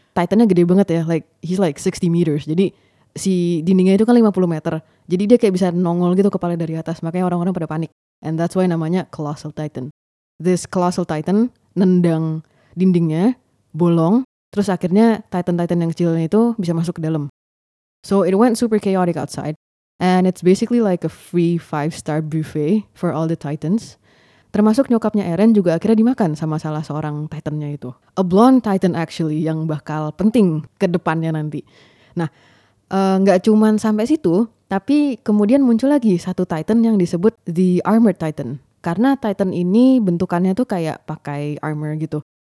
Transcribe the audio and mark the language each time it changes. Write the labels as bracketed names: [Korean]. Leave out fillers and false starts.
[Indonesian] Titannya gede banget ya, [English] like he's like 60 meters. [Indonesian] Jadi, si dindingnya itu kan 50 meter. Jadi, dia kayak bisa nongol gitu kepala dari atas. Makanya orang-orang pada panik. [English] And that's why [Indonesian] namanya Colossal Titan. This Colossal Titan nendang dindingnya, bolong, terus akhirnya Titan-Titan yang kecilnya itu bisa masuk ke dalam. [English] So it went super chaotic outside, and it's basically like a free 5-star buffet for all the Titans. [Indonesian] Termasuk nyokapnya Eren juga akhirnya dimakan sama salah seorang Titan-nya itu. [English] A blonde Titan actually, [Indonesian] yang bakal penting ke depannya nanti. Nah, gak cuman sampai situ, tapi kemudian muncul lagi satu Titan yang disebut The Armored Titan. Karena Titan ini bentukannya tuh kayak pakai armor gitu.